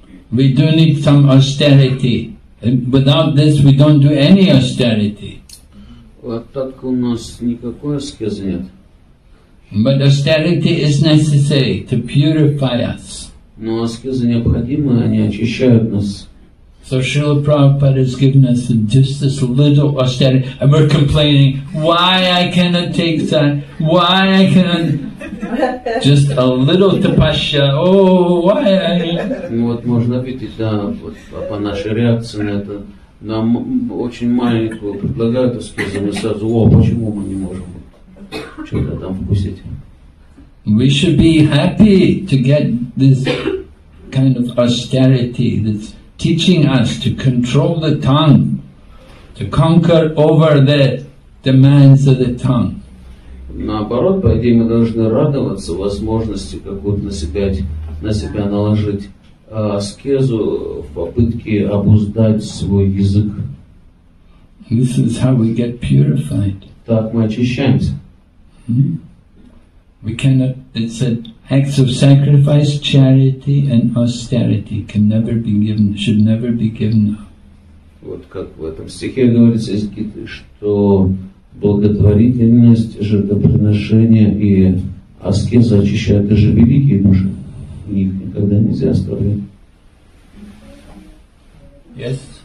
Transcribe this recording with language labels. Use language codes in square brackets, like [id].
[en] We do need some austerity. Without this, we don't do any austerity. [ru] Остатка у нас никакой аскезы нет. [en] But austerity is necessary to purify us. [ru] Но аскезы необходимы, они очищают нас. [en] So Srila Prabhupada has given us just this little austerity, and we're complaining, why I cannot take that, why I cannot, just a little tapasya, oh, why I... [ru] Ну вот можно видеть, да, вот по нашей реакции на это, нам очень маленькую предлагают аскезу, мы сразу, о, почему мы не можем что-то там вкусить? [en] We should be happy to get this kind of austerity, this teaching us to control the tongue, to conquer over the demands of the tongue. [ru] Наоборот, по идее, мы должны радоваться возможности какую-то на себя наложить аскезу в попытке обуздать свой язык. [en] This is how we get purified. [ru] Так мы очищаемся. [en] We cannot, it said, acts of sacrifice, charity and austerity can never be given, should never be given up. [ru] Вот как в этом стихе говорится из Гиты, что благотворительность, жертвоприношение и аскеза очищают даже великие души. Их никогда нельзя оставлять. [en] Yes?